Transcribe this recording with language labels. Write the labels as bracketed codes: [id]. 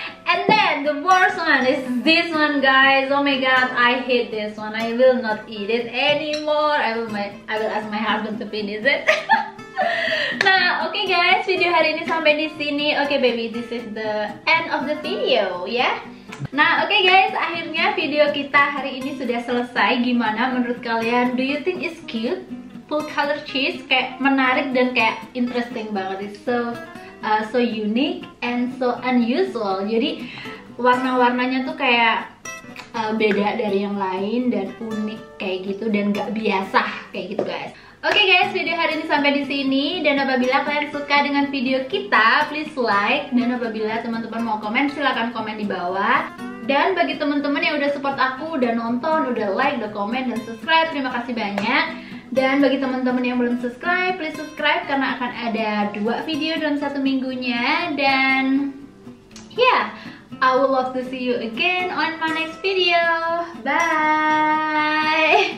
[en] And then the worst one is this one, guys. Oh my god, I hate this one. I will not eat it anymore. I will ask my husband to finish it. Nah, okay guys, [id] video hari ini sampai di sini. [en] Okay baby, this is the end of the video, yeah. [id] Nah, okay guys, akhirnya video kita hari ini sudah selesai. Gimana menurut kalian? [en] Do you think it's cute? Full color cheese [id] kayak menarik dan kayak [en] interesting [id] banget. [en] It's so unique and so unusual. [id] Jadi warna-warnanya tuh kayak beda dari yang lain dan unik kayak gitu dan gak biasa kayak gitu guys. Okay guys, video hari ini sampai di sini. Dan apabila kalian suka dengan video kita, [en] please like. [id] Dan apabila teman-teman mau komen, silakan komen di bawah. Dan bagi teman-teman yang udah support aku, udah nonton, udah like, udah komen dan subscribe, terima kasih banyak. Dan bagi teman-teman yang belum subscribe, [en] please subscribe [id] karena akan ada 2 video dalam 1 minggunya. [en] Dan yeah, I would love to see you again on my next video. Bye.